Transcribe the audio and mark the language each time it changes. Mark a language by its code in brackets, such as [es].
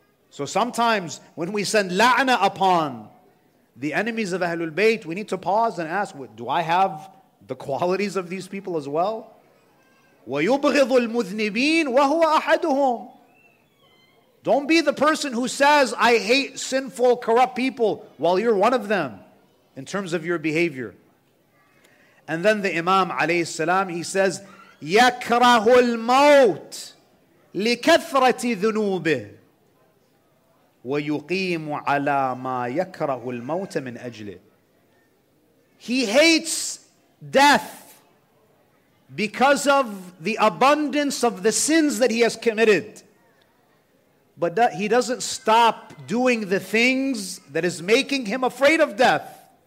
[en] So sometimes when we send la'na upon the enemies of Ahlul Bayt, we need to pause and ask, do I have the qualities of these people as well? [ar] وَيُبْغِضُ الْمُذْنِبِينَ وَهُوَ أَحَدُهُمْ. [en] Don't be the person who says, I hate sinful, corrupt people, while you're one of them in terms of your behavior. And then the Imam alayhi salam, he says, [ar] يَكْرَهُ الْمَوْتِ لِكَثْرَةِ ذُنُوبِهِ وَيُقِيمُ عَلَى مَا يَكْرَهُ الْمَوْتَ مِنْ أَجْلِهِ. [en] He hates death because of the abundance of the sins that he has committed. But he doesn't stop doing the things that is making him afraid of death.